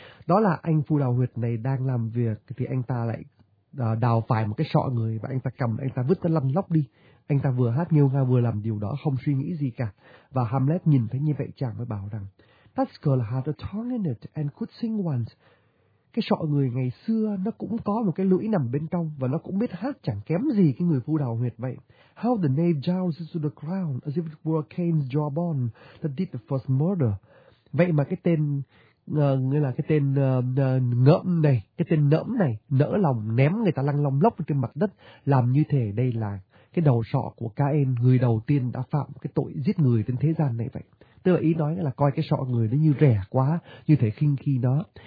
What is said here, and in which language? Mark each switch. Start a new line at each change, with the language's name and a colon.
Vietnamese: Đó là anh phu đào huyệt này đang làm việc thì anh ta lại đào phải một cái sọ người, và anh ta cầm, anh ta vứt nó lăn lóc đi. Anh ta vừa hát nghêu ngao vừa làm điều đó không suy nghĩ gì cả. Và Hamlet nhìn thấy như vậy, chàng mới bảo rằng
English: "That girl had a tongue in it and could sing once."
Vietnamese: Cái sọ người ngày xưa nó cũng có một cái lưỡi nằm bên trong và nó cũng biết hát chẳng kém gì cái người phu đào huyệt vậy.
English: "How the knave jowls into the crown as if it were Cain's jawbone that did the first murder."
Vietnamese: Vậy mà cái tên nỡ lòng ném người ta lăn lóc lóc trên mặt đất, làm như thế đây là cái đầu sọ của Cain, người đầu tiên đã phạm cái tội giết người trên thế gian này vậy. Tức là ý nói là coi cái sọ người nó như rẻ quá, như thể khinh khi nó.